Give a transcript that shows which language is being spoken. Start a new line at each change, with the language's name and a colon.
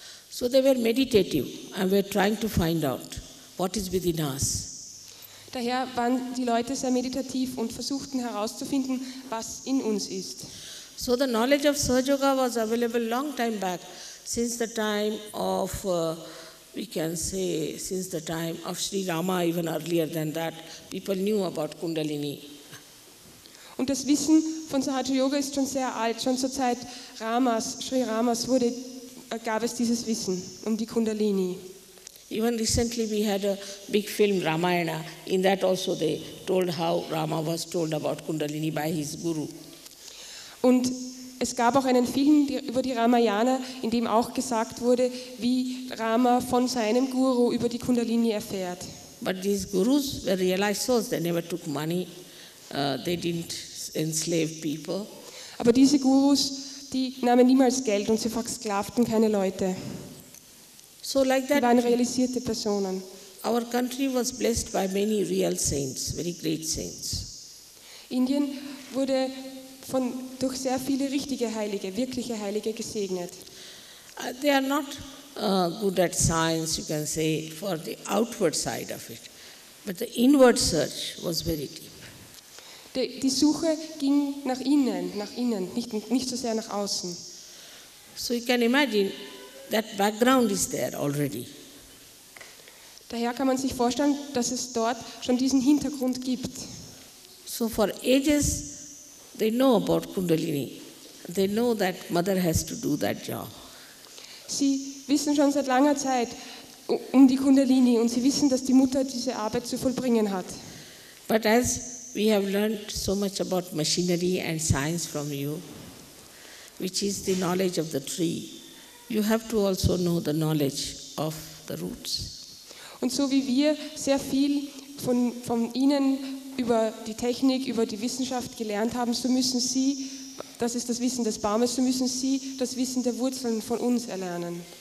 English: So they were meditative and were trying to find out what is within us.
German: Daher waren die Leute sehr meditativ und versuchten herauszufinden, was in uns ist.
English: So the knowledge of Sahaja Yoga was available long time back, since the time of we can say since the time of Shri Rama, even earlier than that, people knew about Kundalini.
German: Und das Wissen von Sahaja Yoga ist schon sehr alt. Schon zur Zeit Ramas, Shri Ramas, gab es dieses Wissen um die Kundalini.
English: Even recently we had a big film Ramayana. In that also they told how Rama was told about Kundalini by his guru.
German: Und es gab auch einen Film über die Ramayana, in dem auch gesagt wurde, wie Rama von seinem Guru über die Kundalini erfährt.
English: But these gurus were realized souls. They never took money. They didn't enslave people.
German: Aber diese Gurus, die nahmen niemals Geld und sie versklavten keine Leute.
English: So like that,
German: die waren realisierte Personen.
English: Our country was blessed by many real saints, very great saints.
German: Indien wurde durch sehr viele richtige Heilige, wirkliche Heilige gesegnet.
English: They are not good at science, you can say, for the outward side of it. But the inward search was very deep.
German: Die Suche ging nach innen, nicht so sehr nach außen.
English: So you can imagine, that background is there already.
German: Daher kann man sich vorstellen, dass es dort schon diesen Hintergrund gibt.
English: So for ages, they know about Kundalini. They know that mother has to do that job.
German: Sie wissen schon seit langer Zeit um die Kundalini und sie wissen, dass die Mutter diese Arbeit zu vollbringen hat.
English: But as we have learned so much about machinery and science from you, which is the knowledge of the tree, you have to also know the knowledge of the roots.
German: Und so wie wir sehr viel von Ihnen über die Technik, über die Wissenschaft gelernt haben, so müssen Sie, das ist das Wissen des Baumes, so müssen Sie das Wissen der Wurzeln von uns erlernen.